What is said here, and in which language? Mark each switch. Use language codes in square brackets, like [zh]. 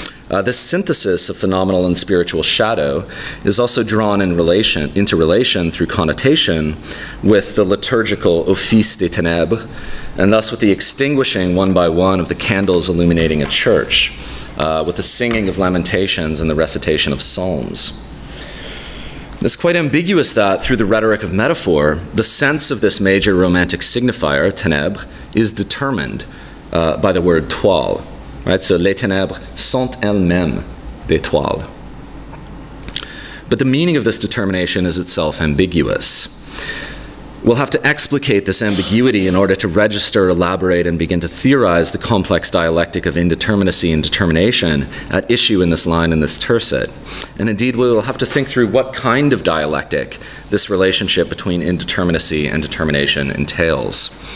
[en] This synthesis of phenomenal and spiritual shadow is also drawn into relation through connotation with the liturgical office des ténèbres, and thus with the extinguishing one by one of the candles illuminating a church, with the singing of lamentations and the recitation of psalms. It's quite ambiguous that, through the rhetoric of metaphor, the sense of this major romantic signifier, ténèbres, is determined by the word toile. Right, so [fr] les ténèbres sont elles-mêmes des toiles. [en] But the meaning of this determination is itself ambiguous. We'll have to explicate this ambiguity in order to register, elaborate, and begin to theorize the complex dialectic of indeterminacy and determination at issue in this line in this tercet. And indeed, we'll have to think through what kind of dialectic this relationship between indeterminacy and determination entails.